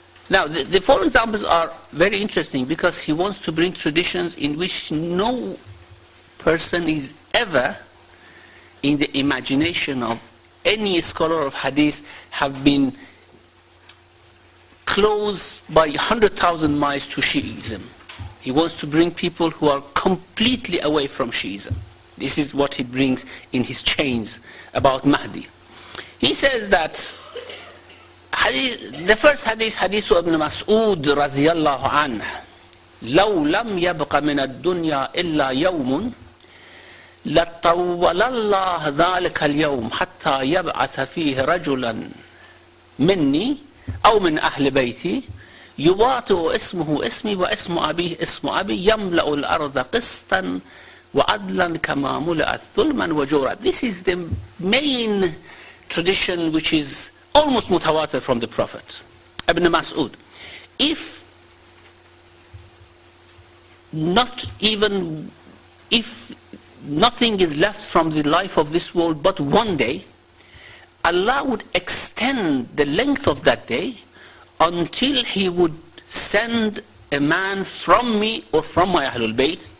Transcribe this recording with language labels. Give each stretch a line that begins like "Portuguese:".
English: Now, the four examples are very interesting because he wants to bring traditions in which no person is ever in the imagination of any scholar of hadith have been close by 100,000 miles to Shi'ism. He wants to bring people who are completely away from Shi'ism. This is what he brings in his chains about Mahdi. He says that the first hadith, hadith of Ibn Mas'ud radiyallahu anhu,
Arabic: لو لم يبق من الدنيا إلا يوم لطول الله ذلك اليوم حتى يبعث فيه رجلا مني أو من أهل بيتي يواتو اسمه اسمي واسم أبيه اسم أبي يملأ الأرض قسطا وعدلا كما ملأت ظلما وجورا.
English: This is the main tradition which is almost mutawatir from the Prophet Ibn Mas'ud. If not even, if nothing is left from the life of this world but one day, Allah would extend the length of that day until he would send a man from me or from my Ahlul Bayt.